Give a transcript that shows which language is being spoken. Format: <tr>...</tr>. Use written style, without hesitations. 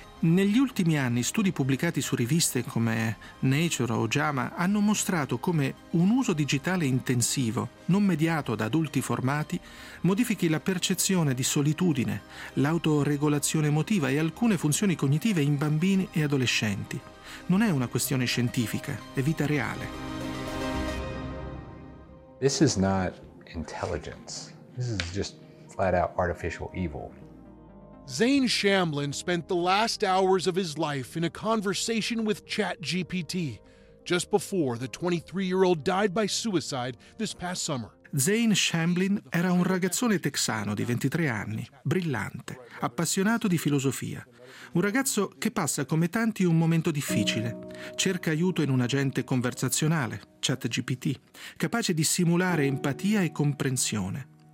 <it>Negli ultimi anni, studi pubblicati su riviste come Nature o JAMA hanno mostrato come un uso digitale intensivo, non mediato da adulti formati, modifichi la percezione di solitudine, l'autoregolazione emotiva e alcune funzioni cognitive in bambini e adolescenti. Non è una questione scientifica, è vita reale.</it> <en>This is not intelligence. This is just flat out artificial evil. Zane Shamblin spent the last hours of his life in a conversation with ChatGPT just before the 23-year-old died by suicide this past summer.</en> <it>Zane Shamblin era un ragazzone texano di 23 anni, brillante, appassionato di filosofia. Un ragazzo che passa come tanti un momento difficile. Cerca aiuto in un agente conversazionale, ChatGPT, capace di simulare empatia e comprensione.</it>